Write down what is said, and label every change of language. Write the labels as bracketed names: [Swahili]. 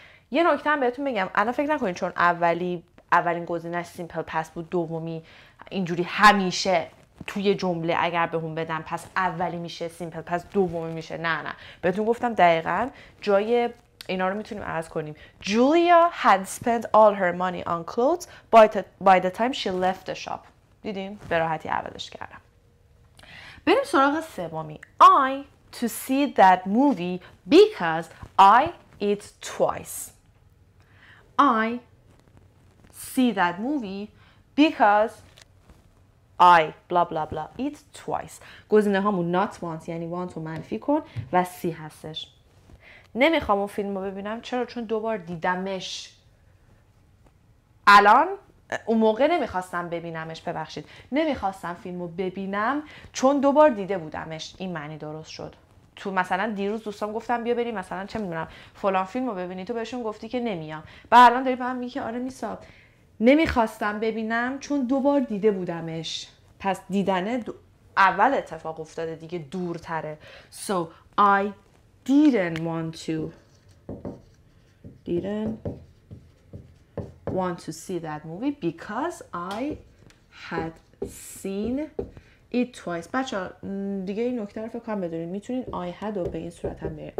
[Persian] یه نکته هم بهتون بگم. الان فکر نکنید چون اولین گزینه simple past بود دومی اینجوری همیشه توی جمله اگر به هم بدم پس اولی میشه simple پس دومی میشه. نه نه بهتون گفتم دقیقا جای اینا رو میتونیم عوض کنیم. [English] Julia had spent all her money on clothes by the time she left the shop. [Persian] دیدیم به راحتی عوضش کردم. بریم سراغ سومی. [English] I to see that movie because I eat twice. I see that movie because I blah blah blah eat twice. [Persian] گزینه هامون [English] not want [Persian] یعنی want رو منفی کن و سی هستش. نمیخوام اون فیلم رو ببینم. چرا؟ چون دوبار دیدمش. الان اون موقع نمیخواستم ببینمش. ببخشید نمیخواستم فیلم رو ببینم چون دوبار دیده بودمش. این معنی درست شد. تو مثلا دیروز دوستام گفتم بیا بریم مثلا چه میدونم فلان فیلم رو ببینی، تو بهشون گفتی که نمیام. بعد الان داری به هم میگی آره میسا نمیخواستم ببینم چون دوبار دیده بودمش. پس دیدنه اول اتفاق افتاده دیگه، دورتره. [English] So I didn't want to see that movie because I had seen it twice. [Persian] بچه دیگه این نکته رو فکر کنم بدونید. میتونین [English] I had [Persian] رو به این صورت هم بگیرید.